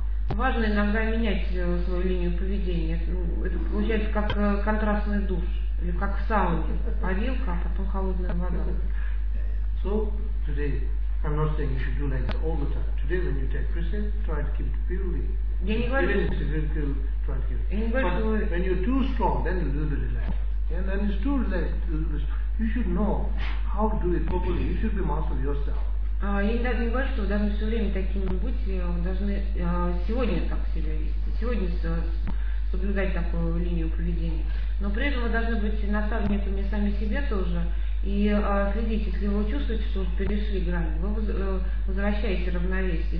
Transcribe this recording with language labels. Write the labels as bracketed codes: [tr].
[ru] Важно иногда менять свою линию поведения. Это получается как контрастный душ или как в сауне. Парилка, а потом холодная вода. [en] So today I'm not saying you should do like that all the time. Today when you take precept, try to keep it purely. [ru] Я не говорю. [en] Even if you feel, try to keep it. [ru] Я не говорю, [en] but [ru] что вы... [en] when you're too strong, then you're a little bit relaxed. And then it's too relaxed. You should know how to do it properly. You should be master yourself. [ru] Я не говорю, что вы должны все время такими быть, вы должны сегодня так себя вести, сегодня соблюдать такую линию поведения. Но при этом вы должны быть наставниками сами себе тоже. И следите, если вы чувствуете, что вы перешли грань, вы возвращаете равновесие.